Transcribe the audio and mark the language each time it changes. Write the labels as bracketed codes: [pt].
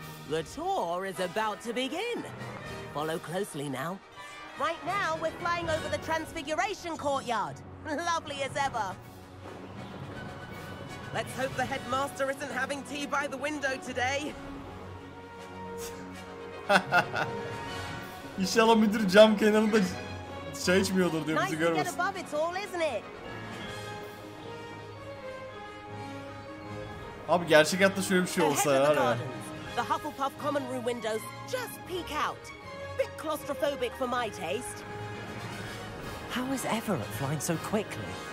[en] The tour is about to begin. Follow closely now. Right now we're flying over the Transfiguration courtyard. Lovely as ever. Let's hope the headmaster isn't having tea by the window today. [tr] İnşallah müdür cam kenarında çay içmiyordur diye bizi görmesin. [en] Nice to get above it all, isn't it? [tr] Abi gerçek hayatta şöyle bir şey olsa ya. [en] The Hufflepuff common room windows just peek out. Bit claustrophobic for my taste. How is Everett flying so quickly?